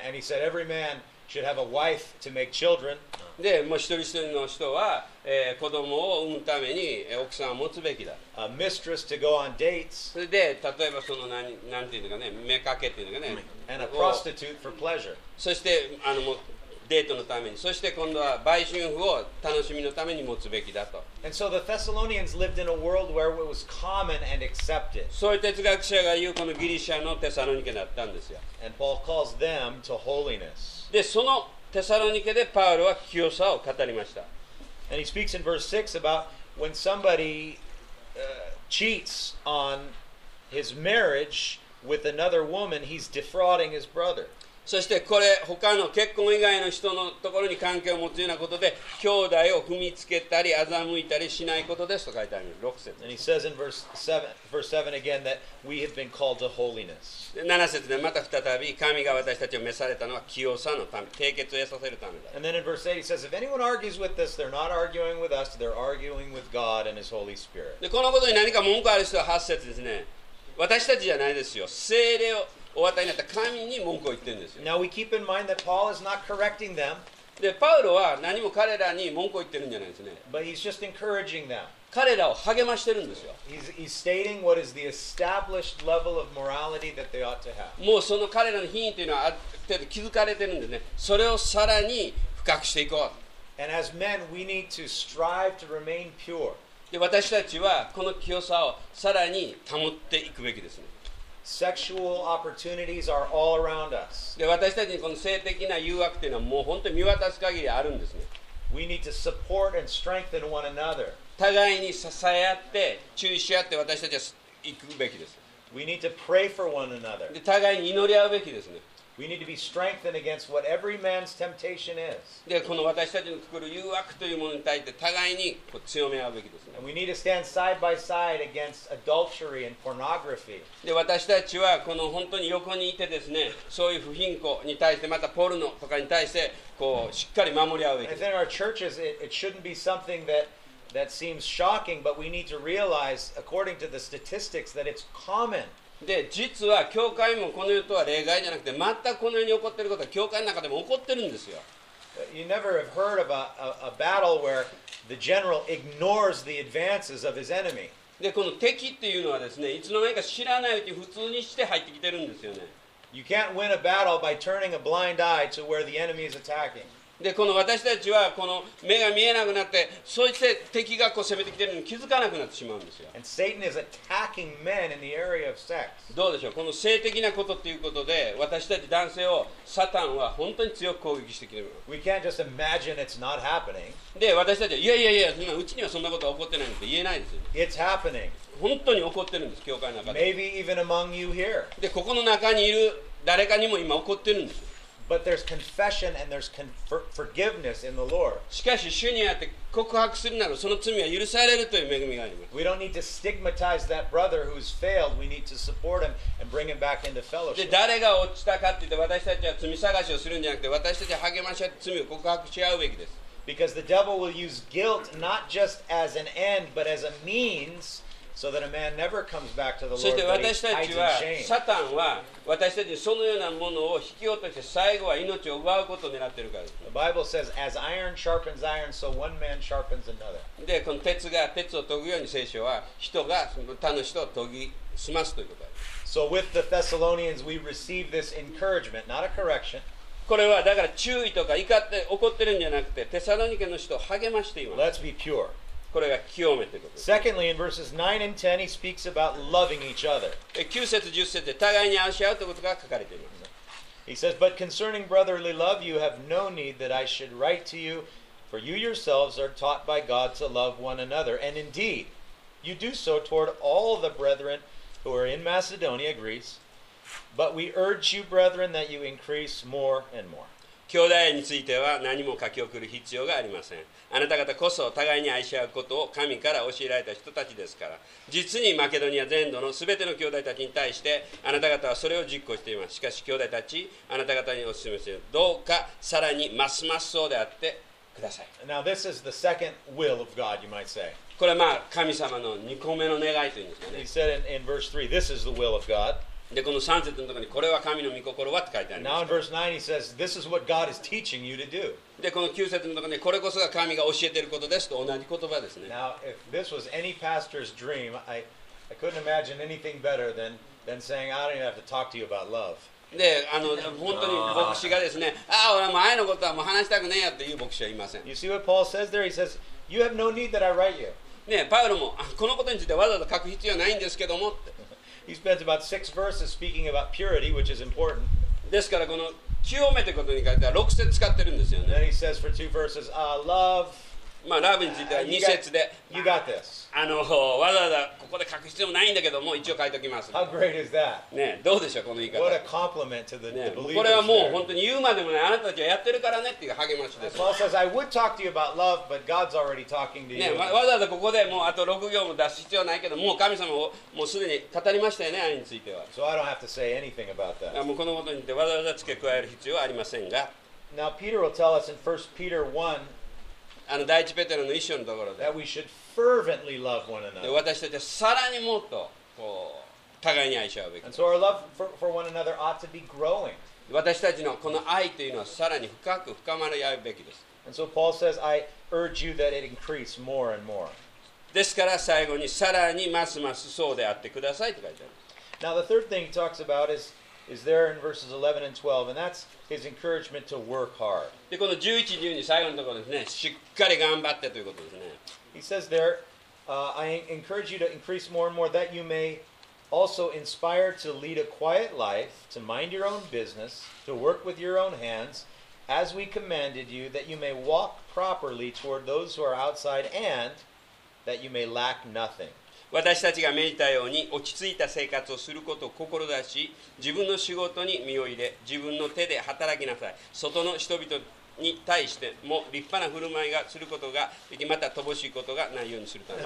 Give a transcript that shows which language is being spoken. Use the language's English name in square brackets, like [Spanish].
[English] And he said every man should have a wife to make children. [Japanese] でもう一人一人の人は、子供を産むために奥さんを持つべきだ。 [English] A mistress to go on dates. [Japanese] それで例えばその何て言うのかね、目かけっていうのかね。 [English] And a prostitute for pleasure. [Japanese] そしてあのもうデートのために、そして今度は売春婦を楽しみのために持つべきだと。 [English] And so the Thessalonians lived in a world where it was common and accepted. [Japanese] そういう哲学者が言うこのギリシャのテサロニケだったんですよ。 [English] And Paul calls them to holiness. [Japanese] でそのテサロニケでパウロは清さを語りました。 [English] And he speaks in verse 6 about when somebody cheats on his marriage with another woman, he's defrauding his brother. [Japanese] そしてこれ他の結婚以外の人のところに関係を持つようなことで兄弟を踏みつけたり欺いたりしないことですと書いてある。 6節。 [English] And he says in verse 7 again that we have been called to holiness. [Japanese] 7節でまた再び神が私たちを召されたのは清さのため、清潔を得させるためだ。 [English] And then in verse 8 he says, if anyone argues with this, they're not arguing with us, they're arguing with God and His Holy Spirit. [Japanese] でこのことに何か文句ある人は8節ですね。私たちじゃないですよ。聖霊をお与えになった神に文句を言ってるんですよ。 [English] Now we keep in mind that Paul is not correcting them. [Japanese] でパウロは何も彼らに文句を言ってるんじゃないですね。 [English] But he's just encouraging them. [Japanese] 彼らを励ましてるんですよ。 [English] He's stating what is the established level of morality that they ought to have. [Japanese] もうその彼らの品位というのはある程度気づかれてるんですね。それをさらに深くしていこう。 [English] And as men, we need to strive to remain pure. [Japanese] で、私たちはこの清さをさらに保っていくべきですね。 [English] Sexual opportunities are all around us. [Japanese] で、私たちにこの性的な誘惑というのはもう本当に見渡す限りあるんですね。 [English] We need to support and strengthen one another. [Japanese] 互いに支え合って注意し合って私たちは行くべきです。 [English] We need to pray for one another. [Japanese] で、互いに祈り合うべきですね。 [English] We need to be strengthened against what every man's temptation is. [Japanese] で、この私たちの作る誘惑というものに対して互いにこう強め合うべきですね。 [English] And we need to stand side by side against adultery and pornography. [Japanese] で、私たちはこの本当に横にいてですね、そういう不貧困に対して、またポルノとかに対してこうしっかり守り合うべきです。 [English] And then our churches, it shouldn't be something that seems shocking, but we need to realize, according to the statistics, that it's common. [Japanese] で、実は教会もこの世とは例外じゃなくて、全くこの世に起こっていることは教会の中でも起こってるんですよ。 [English] You never have heard of a battle where the general ignores the advances of his enemy. [Japanese] で、この敵っていうのはですね、いつの間にか知らないうちに普通にして入ってきてるんですよね。 [English] You can't win a battle by turning a blind eye to where the enemy is attacking. [Japanese] で、この私たちはこの目が見えなくなって、そして敵がこう攻めてきているのに気づかなくなってしまうんですよ。 [English] And Satan is attacking men in the area of sex. [Japanese] どうでしょう、この性的なことということで、私たち男性をサタンは本当に強く攻撃してきている。 [English] We can't just imagine it's not happening. [Japanese] で、私たちはいや、うちにはそんなことは起こってないって言えないですよ。 [English] It's happening. [Japanese] 本当に起こってるんです、教会の中で。 [English] Maybe even among you here. [Japanese] で、ここの中にいる誰かにも今起こってるんです。 [English] But there's confession and there's forgiveness in the Lord. [Japanese] しかし主にあって告白するならその罪は許されるという恵みがあります。 [English] We don't need to stigmatize that brother who's failed. We need to support him and bring him back into fellowship. [Japanese] で、誰が落ちたかって言って私たちは罪探しをするんじゃなくて、私たちは励まし合って罪を告白し合うべきです。 [English] Because the devil will use guilt not just as an end but as a means. So that a man never comes back to the Lord, but he hides in shame. [Japanese] サタンは私たちにそのようなものを引き落として最後は命を奪うことを狙っているからです。 [English] The Bible says, as iron sharpens iron, so one man sharpens another. [Japanese] で、この鉄が鉄を研ぐように聖書は人が他の人を研ぎ澄ますということです。 [English] So with the Thessalonians, we receive this encouragement, not a correction. [Japanese] これはだから注意とか怒って怒ってるんじゃなくて、テサロニケの人を励ましています。 [English] Let's be pure. [Japanese] これが清めということです。 [English] Secondly, in verses 9 and 10, he speaks about loving each other. [Japanese] 9節、10節で互いに愛し合うということが書かれています。 [English] He says, But concerning brotherly love, you have no need that I should write to you, for you yourselves are taught by God to love one another. And indeed, you do so toward all the brethren who are in Macedonia, Greece. But we urge you, brethren, that you increase more and more. [Japanese] 兄弟については何も書き送る必要がありません。あなた方こそ互いに愛し合うことを神から教えられた人たちですから。実にマケドニア全土のすべての兄弟たちに対してあなた方はそれを実行しています。しかし兄弟たち、あなた方にお勧めする。どうかさらにますますそうであってください。 [English] Now this is the second will of God, you might say. [Japanese] これはまあ神様の2個目の願いというんですかね。 [English] He said in verse 3, this is the will of God. [Japanese] で、この3節のところにこれは神の御心はって書いてあります。 [English] Now in verse 9 he says, this is what God is teaching you to do. [Japanese] で、この9節のところにこれこそが神が教えていることですと同じ言葉ですね。 [English] Now if this was any pastor's dream, I couldn't imagine anything better than saying, I don't even have to talk to you about love. [Japanese] で、本当に牧師がですね、俺も愛のことはもう話したくねえやっていう牧師はいません。 [English] You see what Paul says there? He says, you have no need that I write you. [Japanese] ね、パウロもこのことについてわざわざ書く必要ないんですけどもって。 [English] He spends about 6 verses speaking about purity, which is important. [Japanese] ですからこの清めということに書いては6節使ってるんですよね。 [English] Then he says for 2 verses, love. [Japanese] まあ、ラブについては2節で。 [English] You got this. [Japanese] わざわざここで書く必要もないんだけども、一応書いておきます。 [English] How great is that? [Japanese] ね、どうでしょう、この言い方。 [English] What a compliment to the believers. [Japanese] これはもう本当に言うまでもない、あなたたちはやってるからねっていう励ましです。 [English] Paul says, I would talk to you about love, but God's already talking to you. [Japanese] ね、わざわざここでもうあと6行も出す必要ないけど、もう神様をもうすでに語りましたよね、愛については。 [English] So I don't have to say anything about that. [Japanese] もうこのことにてわざわざ付け加える必要はありませんが。 [English] Now Peter will tell us in 1 Peter 1, [Japanese] 第一ペテロの一章のところで、 [English] that we should fervently love one another. [Japanese] 私たちはさらにもっとこう互いに愛し合うべき。 [English] And so our love for one another ought to be growing. [Japanese] 私たちのこの愛というのはさらに深く深まり合うべきです。 [English] And so Paul says, I urge you that it increase more and more. [Japanese] ですから最後にさらにますますそうであってくださいと書いてあります。 [English] Now the third thing he talks about is there in verses 11 and 12, and that's his encouragement to work hard. [Japanese] で、この11、12、最後のところですね。しっかり頑張ってということですね。 [English] He says there, I encourage you to increase more and more that you may also inspire to lead a quiet life, to mind your own business, to work with your own hands, as we commanded you, that you may walk properly toward those who are outside, and that you may lack nothing. [Japanese] 私たちが命じたように落ち着いた生活をすることを志し、自分の仕事に身を入れ、自分の手で働きなさい。外の人々に対しても立派な振る舞いがすることができ、また乏しいことがないようにするため。